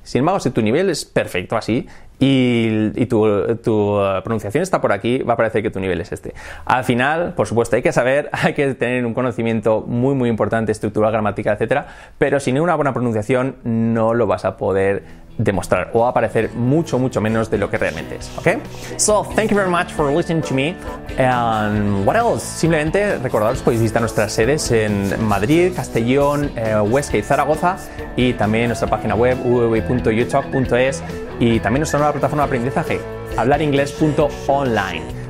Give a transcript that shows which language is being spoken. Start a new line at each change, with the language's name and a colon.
Spanish: Sin embargo, si tu nivel es perfecto así y tu pronunciación está por aquí, va a parecer que tu nivel es este. Al final, por supuesto, hay que tener un conocimiento muy, muy importante, estructural, gramática, etcétera, pero sin una buena pronunciación no lo vas a poder demostrar o aparecer mucho, mucho menos de lo que realmente es, ¿ok?
English: So, thank you very much for listening to me. And what else?
Spanish: Simplemente recordaros, podéis visitar nuestras sedes en Madrid, Castellón, Huesca y Zaragoza, y también nuestra página web www.youtalk.es, y también nuestra nueva plataforma de aprendizaje, hablaringles.online.